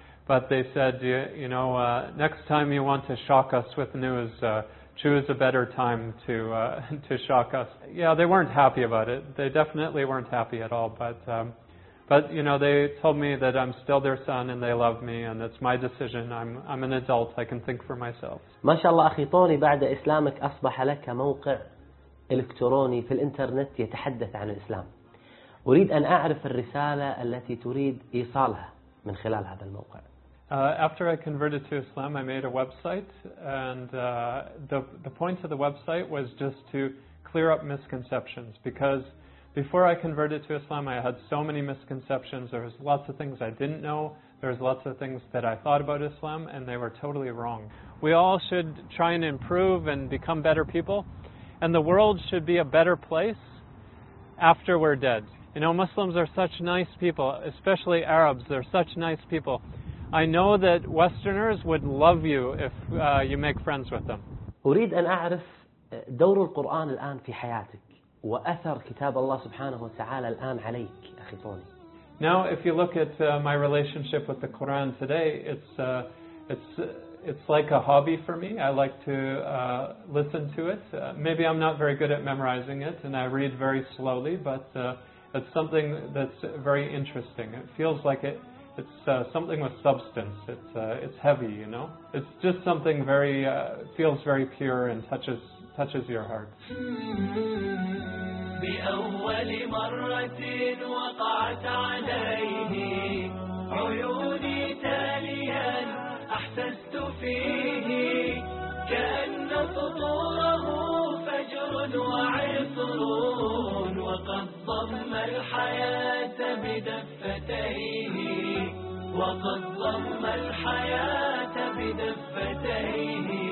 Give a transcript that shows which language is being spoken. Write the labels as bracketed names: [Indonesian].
[English] But they said, you know, next time you want to shock us with news, choose a better time to shock us. Yeah, they weren't happy about it. They definitely weren't happy at all. But you know, they told me that I'm still their son and they love me and it's my decision. I'm an adult. I can think for myself. [Arabic] ما شاء الله أخي طوري بعد إسلامك أصبح لك موقع إلكتروني في الإنترنت يتحدث عن الإسلام. أريد أن أعرف الرسالة التي تريد إيصالها من خلال هذا الموقع. [English] After I converted to Islam, I made a website, and the point of the website was just to clear up misconceptions because before I converted to Islam, I had so many misconceptions. There was lots of things I didn't know. There was lots of things that I thought about Islam, and they were totally wrong. We all should try and improve and become better people, and the world should be a better place after we're dead. You know, Muslims are such nice people, especially Arabs. They're such nice people. I know that Westerners would love you if you make friends with them. [Arabic] أريد أن أعرف دور القرآن الآن في حياتك. وأثر كتاب الله سبحانه وتعالى الآن عليك أخي طوني. [English] Now, if you look at my relationship with the Quran today, it's like a hobby for me. I like to listen to it. Maybe I'm not very good at memorizing it, and I read very slowly. But it's something that's very interesting. It feels like it's something with substance. It's heavy, you know. It's just something very feels very pure and touches your heart. [Arabic] بأول مرة وقعت عليه عيوني تاليا أحسست فيه كأن سطوره فجر وعصر وقد ضم الحياة بدفتيه وقد ضم الحياة بدفتيه